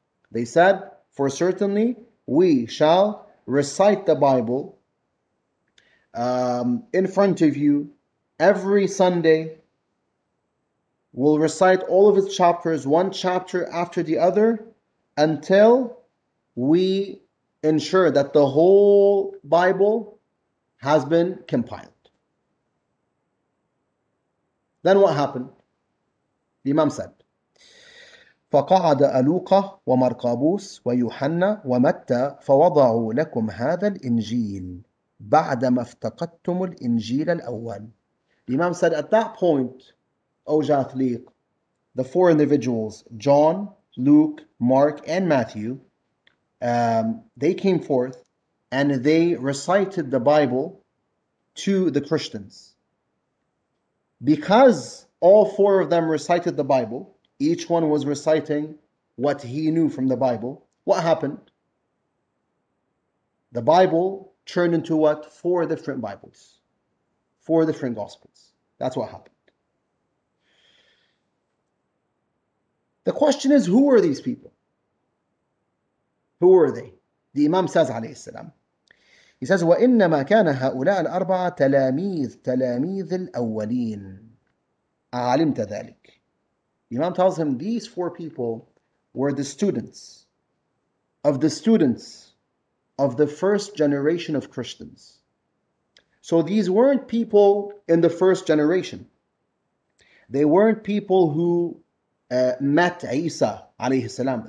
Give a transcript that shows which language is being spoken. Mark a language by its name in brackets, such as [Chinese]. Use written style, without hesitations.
[English] They said, for certainly, we shall recite the Bible in front of you every Sunday. We'll recite all of its chapters, one chapter after the other, until we ensure that the whole Bible has been compiled. Then what happened? The Imam said, [Arabic] فَقَعَدَ أَلُوقَ وَمَرْقَابُوسَ وَيُوحَنَّ وَمَتَّى فَوَضَعُوا لَكُمْ هَذَا الْإِنْجِيلَ بَعْدَ مَفْتَقَدْتُمُ الْإِنْجِيلَ الْأَوَّلِ. [English] The Imam said, at that point, O Jathliq, the four individuals, John, Luke, Mark, and Matthew, they came forth and they recited the Bible to the Christians. Because all four of them recited the Bible, each one was reciting what he knew from the Bible, what happened? The Bible turned into what? Four different Bibles. Four different Gospels. That's what happened. The question is, who are these people? Who are they? The Imam says, alayhi salam. He says, [Arabic] وَإِنَّمَا كَانَ هَؤُلَاءَ الْأَرْبَعَ تَلَامِيذِ الْأَوَّلِينَ. أَعَلِمْتَ ذَلِكَ. [English] Imam tells him these four people were the students of the students of the first generation of Christians. So these weren't people in the first generation. They weren't people who met Isa alayhi salam.